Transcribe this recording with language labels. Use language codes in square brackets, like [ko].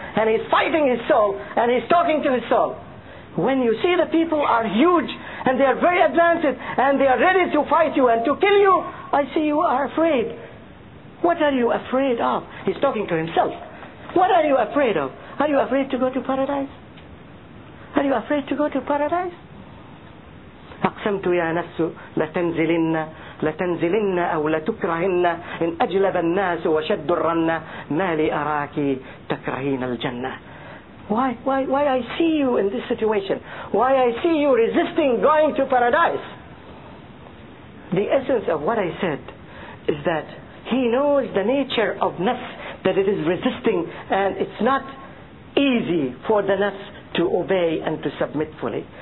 [en] And he's fighting his soul and he's talking to his soul. When you see the people are huge and they are very advanced and they are ready to fight you and to kill you, I see you are afraid. What are you afraid of? He's talking to himself. What are you afraid of? Are you afraid to go to paradise? Are you afraid to go to paradise? [ar] أقسمت يا نفس لتنزلن لتنزلن أو لتكرهن إن أجلب الناس وشد الرن ما لي أراك تكرهين الجنة. [en] Why I see you in this situation? Why I see you resisting going to paradise? The essence of what I said is that he knows the nature of nafs, that it is resisting, and it's not easy for the nafs to obey and to submit fully.